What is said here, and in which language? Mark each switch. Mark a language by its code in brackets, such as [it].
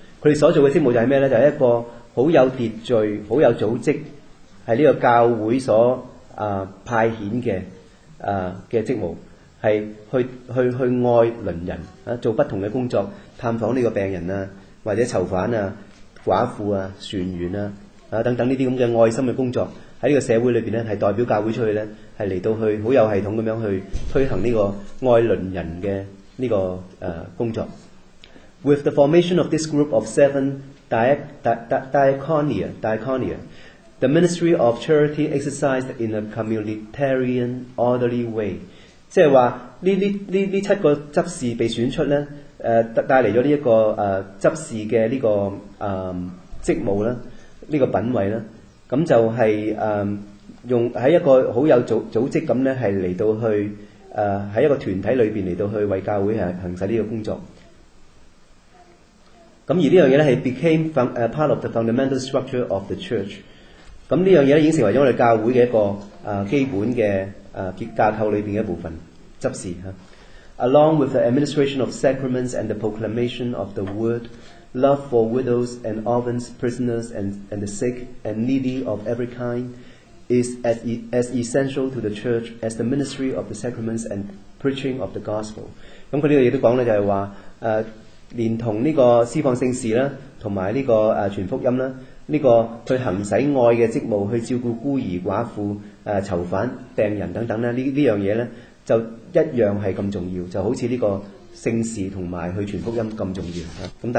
[zh] 他們所做的職務是什麼呢？就是一個很有秩序、很有組織，是這個教會所派遣的職務，是去愛鄰人，做不同的工作，探訪這個病人、或者囚犯、寡婦、船員、等等這些愛心的工作，在這個社會裡面是代表教會出去，是來到去很有系統地去推行這個愛鄰人的這個工作。 [en] With the formation of this group of seven diaconia, the ministry of charity exercised in a communitarian orderly way。 [zh] 即是說 這七個執事被選出呢，帶來了這個執事的這個職務呢，這個品位呢，就是用在一個很有 組織地是來到去在一個團體裏面來到去為教會行使這個工作。而這件事是 [en] became part of the fundamental structure of the church。 [zh] 這件事已經成為了我們教會的一個基本的架構裏面的一部分，執事。 [en] Along with the administration of sacraments and the proclamation of the word, love for widows and orphans, prisoners and the sick and needy of every kindis as essential to the church as the ministry of the sacraments and preaching of the gospel。 [zh] 他這裡也說就是說連同這個施放聖事和這個傳福音，這個去行使愛的職務，去照顧孤兒寡婦、囚犯、病人等等，這件事就一樣是這麼重要，就好像這個聖事和去傳福音那麼重要。